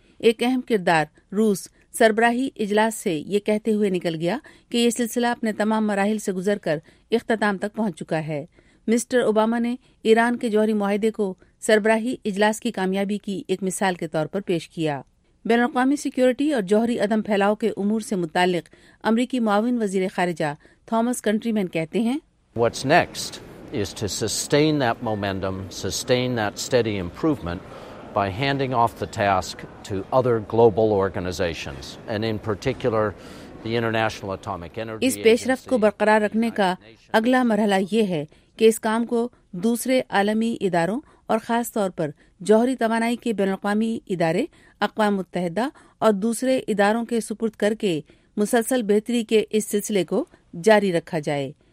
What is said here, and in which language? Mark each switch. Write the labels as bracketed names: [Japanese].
[Urdu] ایک اہم کردار روس سربراہی اجلاس سے یہ کہتے ہوئے نکل گیا کہ یہ سلسلہ اپنے تمام مراحل سے گزر کر اختتام تک پہنچ چکا ہے. مسٹر اوباما نے ایران کے جوہری معاہدے کو سربراہی اجلاس کی کامیابی کی ایک مثال کے طور پر پیش کیا. بین الاقوامی سیکیورٹی اور جوہری عدم پھیلاؤ کے امور سے متعلق امریکی معاون وزیر خارجہ تھامس کنٹری مین کہتے ہیں [English] What's next? is to sustain that momentum, sustain that steady improvement by handing off the task to other global organizations, and in particular the International Atomic Energy [Urdu] Agency. اس پیشرفت کو برقرار رکھنے کا اگلا مرحلہ یہ ہے کہ اس کام کو دوسرے عالمی اداروں اور خاص طور پر جوہری توانائی کے بین الاقوامی ادارے اقوام متحدہ اور دوسرے اداروں کے سپرد کر کے مسلسل بہتری کے اس سلسلے کو جاری رکھا جائے.